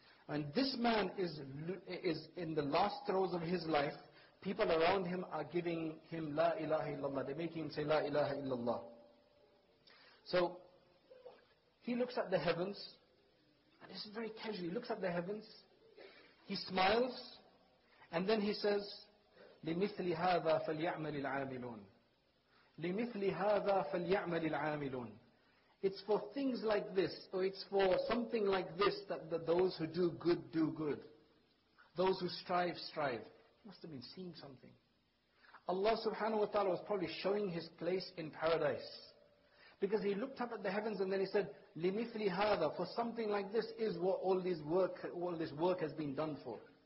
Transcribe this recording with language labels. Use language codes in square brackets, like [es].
[en] And this man is in the last throes of his life. People around him are giving him La ilaha illallah. They're making him say La ilaha illallah. So, he looks at the heavens. And this is very casual. He looks at the heavens. He smiles. And then he says, [ar] لِمِثْلِ هَذَا فَلْيَعْمَلِ الْعَامِلُونَ لِمِثْلِ هَذَا فَلْيَعْمَلِ الْعَامِلُونَ. [en] It's for things like this, or it's for something like this, that those who do good, do good. Those who strive, strive. He must have been seeing something. Allah subhanahu wa ta'ala was probably showing his place in paradise. Because he looked up at the heavens and then he said, [ar] لِمِثْلِ هَذَا, [en] for something like this is what all this work has been done for.